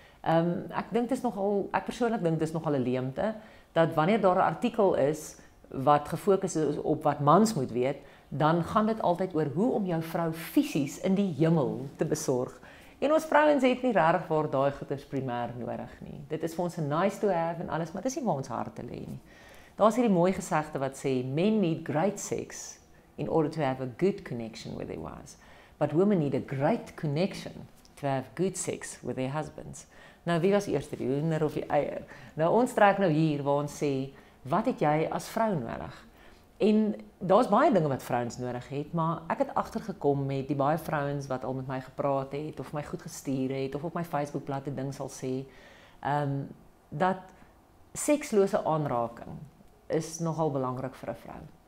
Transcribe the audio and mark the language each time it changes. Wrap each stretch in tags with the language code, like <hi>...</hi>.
<af>Ek persoonlik dink dis nogal 'n leemte dat wanneer daar 'n artikel is wat gefokus is op wat mans moet weet, dan gaan dit altyd oor hoe om jou vrou fisies in die hemel te besorg. En ons vrouens het nie regtig waar daai goeders primêr nodig nie. Dit is vir ons 'n</af> <en>nice to have</en> <af>en alles, maar dis nie waar ons harte lê nie. Daar's hierdie mooi gesegde wat sê</af> <en>men need great sex in order to have a good connection with their wives, but women need a great connection to have good sex with their husbands.</en> <af>Nou wie was eerste, die hoender of die eier? Nou ons trek nou hier waar ons sê, wat het jy as vrou nodig? En daar's baie dinge wat vrouens nodig het, maar ek het agtergekom met die baie vrouens wat al met my gepraat het of my goed gestuur het of op my Facebookblad 'n ding sal sê, dat sekslose aanraking is nogal belangrik vir 'n vrou.</af>